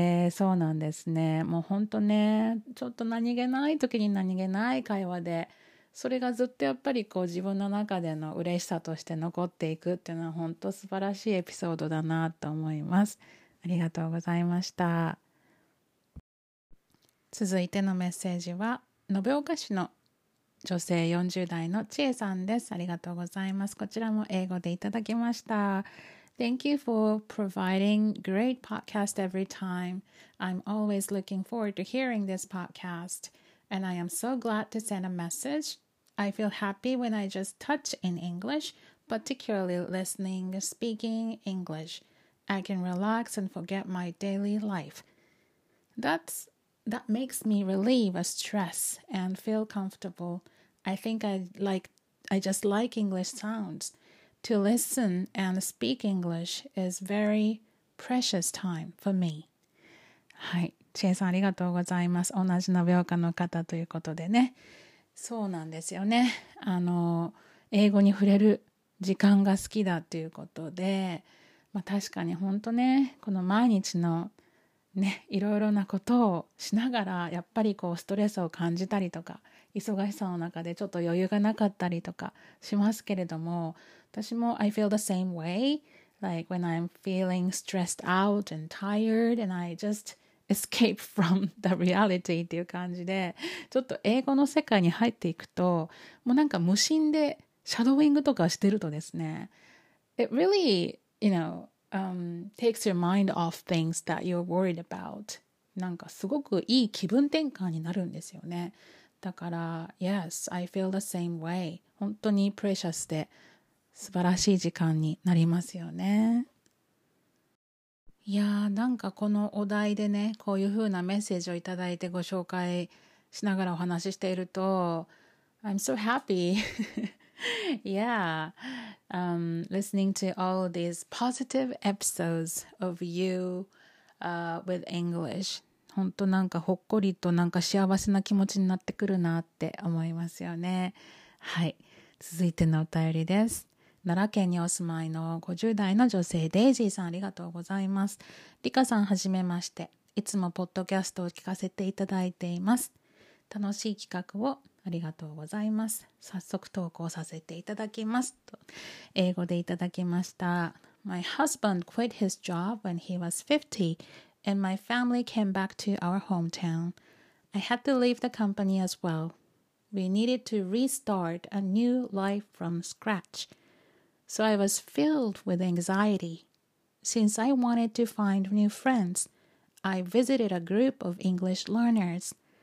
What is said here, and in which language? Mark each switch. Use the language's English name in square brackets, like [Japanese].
[Japanese] そうなんですね。もう本当ね、ちょっと何気ない時に何気ない会話で、それがずっとやっぱりこう自分の中での嬉しさとして残っていくっていうのは本当素晴らしいエピソードだなと思います。ありがとうございました。続いてのメッセージは、延岡市の女性40代の千恵さんです。ありがとうございます。こちらも英語でいただきました。 [English] Thank you for providing great podcast every time. I'm always looking forward to hearing this podcast. And I am so glad to send a message. I feel happy when I just touch in English, particularly listening, speaking English. I can relax and forget my daily life. That makes me relieve a stress and feel comfortable. I think I just like English sounds. To listen and speak English is very precious time for me. [Japanese] はい、千恵さんありがとうございます。同じ延岡の方ということでね。そうなんですよね。英語に触れる時間が好きだということで、まあ、確かに本当ね、この毎日のね、いろいろなことをしながら、やっぱりこうストレスを感じたりとか、忙しさの中でちょっと余裕がなかったりとかしますけれども、私も [English] I feel the same way, like when I'm feeling stressed out and tired and I just escape from the reality [Japanese] っていう感じで、ちょっと英語の世界に入っていくと、もうなんか無心でシャドウイングとかしてるとですね、 [English] It really, you know,takes your mind off things that you're worried about. [Japanese] なんかすごくいい気分転換になるんですよね。だから、 [English] Yes, I feel the same way. [Japanese] 本当に precious で素晴らしい時間になりますよね。いやー、なんかこのお題でね、こういう風なメッセージをいただいてご紹介しながらお話ししていると、 [English] I'm so happy. yeah, listening to all these positive episodes of you with English. [Japanese] 本当なんかほっこりとなんか幸せな気持ちになってくるなって思いますよね。はい、続いてのお便りです。奈良県にお住まいの50代の女性デイジーさん、ありがとうございます。リカさん、はじめまして。いつもポッドキャストを聞かせていただいています。楽しい企画をありがとうございます。早速投稿させていただきますと英語でいただきました。 [English] My husband quit his job when he was 50And my family came back to our hometown. I had to leave the company as well. We needed to restart a new life from scratch. So I was filled with anxiety. Since I wanted to find new friends, I visited a group of English learners.